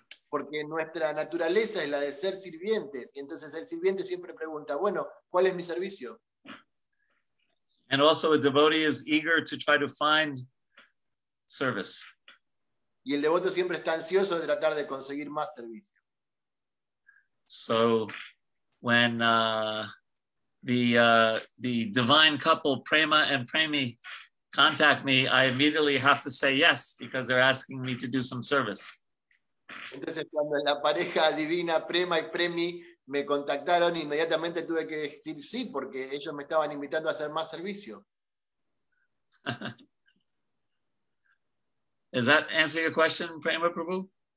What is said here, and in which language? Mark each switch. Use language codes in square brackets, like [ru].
[es] Porque nuestra naturaleza es la de ser sirvientes. Entonces el sirviente siempre pregunta, bueno, ¿cuál es mi servicio? [en] And also a devotee is eager to try to find service. [es] Y el devoto siempre está ansioso de tratar de conseguir más servicio. [en] So when the divine couple Prema and Premi contact me, I immediately have to say yes because they're asking me to do some service. [es] Entonces, cuando la pareja divina Prema y Premi me contactaron, inmediatamente tuve que decir sí porque ellos me estaban invitando a hacer más servicio. [en] Does that answer your question, Prema Prabhu?